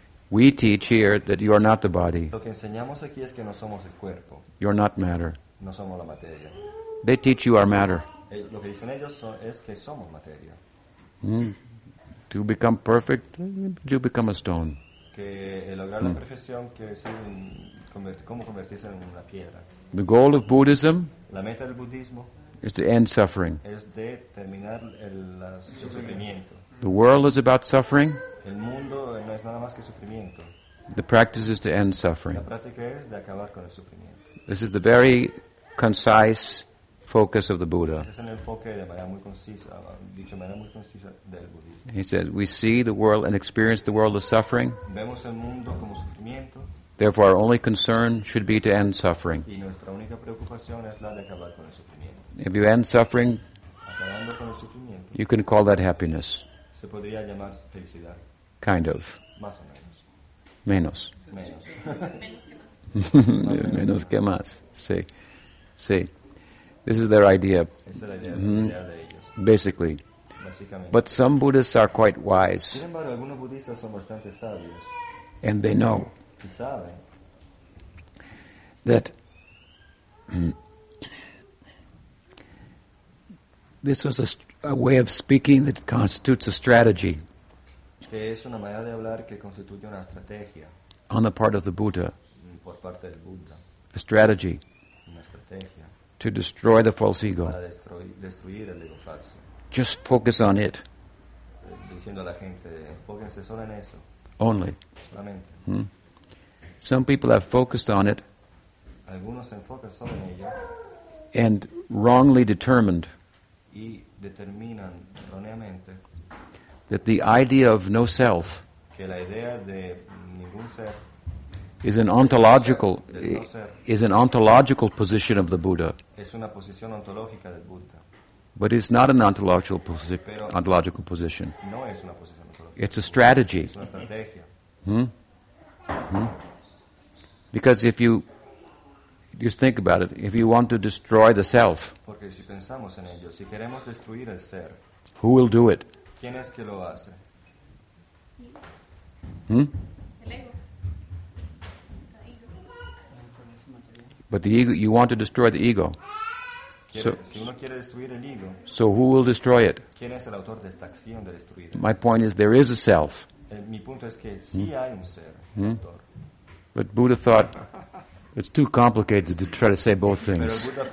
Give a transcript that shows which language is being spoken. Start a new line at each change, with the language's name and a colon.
English: We teach here that you are not the body.
Spanish: Lo que enseñamos aquí es que no somos el cuerpo.
English: You're not matter.
Spanish: No somos la materia.
English: They teach you are matter.
Spanish: Lo que dicen ellos es que somos materia.
English: To become perfect, you become a stone.
Spanish: Que lograr la perfección quiere decir cómo convertirse en una piedra.
English: The goal of Buddhism,
Spanish: la meta del budismo,
English: is to end suffering.
Spanish: Es de terminar el sufrimiento.
English: The world is about suffering.
Spanish: El mundo no es nada más que sufrimiento.
English: The practice is to end suffering.
Spanish: La práctica es de acabar con el sufrimiento.
English: This is the very concise focus of the Buddha.
Spanish: Es el enfoque de manera muy concisa, dicho de manera muy concisa del budismo.
English: He says, we see the world and experience the world as suffering.
Spanish: Vemos el mundo como sufrimiento.
English: Therefore, our only concern should be to end suffering.
Spanish: Y nuestra única preocupación es la de acabar con el sufrimiento.
English: If you end suffering,
Spanish: acabando con el sufrimiento,
English: you can call that happiness.
Spanish: Se podría llamar felicidad.
English: Kind of.
Spanish: Más o menos. Menos. Menos. Menos que más. Sí. Sí.
English: This is their idea.
Spanish: Esa es la idea de ellos.
English: Basically.
Spanish: Básicamente.
English: But some Buddhists are quite wise.
Spanish: Sin embargo, algunos budistas son bastante sabios.
English: And they know.
Spanish: Y saben.
English: That this was a way of speaking that constitutes a strategy
Spanish: que es una manera de hablar que constituye una estrategia
English: on the part of the Buddha,
Spanish: por parte del Buddha.
English: A strategy,
Spanish: una estrategia
English: to destroy the false ego,
Spanish: para destruir el ego falso.
English: Just focus on it,
Spanish: diciendo a la gente, enfóquense solo en eso.
English: Only.
Spanish: Solamente.
English: Some people have focused on it,
Spanish: algunos se enfocan solo en ello,
English: and wrongly determined
Spanish: y determinan erróneamente
English: that the idea of no self,
Spanish: que la idea de ningún ser,
English: is an ontological position of the Buddha.
Spanish: Es una posición ontológica del Buddha.
English: But it's not an ontological position.
Spanish: No es una posición ontológica.
English: It's a strategy.
Spanish: Es una estrategia.
English: Because if you just think about it, if you want to destroy the self,
Spanish: porque si pensamos en ello, si queremos destruir el ser,
English: who will do it?
Spanish: ¿Quién es que lo hace? El ego.
English: But the ego, you want to destroy the ego.
Spanish: Si uno quiere destruir el ego,
English: so who will destroy it?
Spanish: ¿Quién es el autor de esta acción de destruirlo?
English: My point is, there is a self.
Spanish: Mi punto es que sí hay un ser, autor.
English: But Buddha thought, it's too complicated to try to say both things.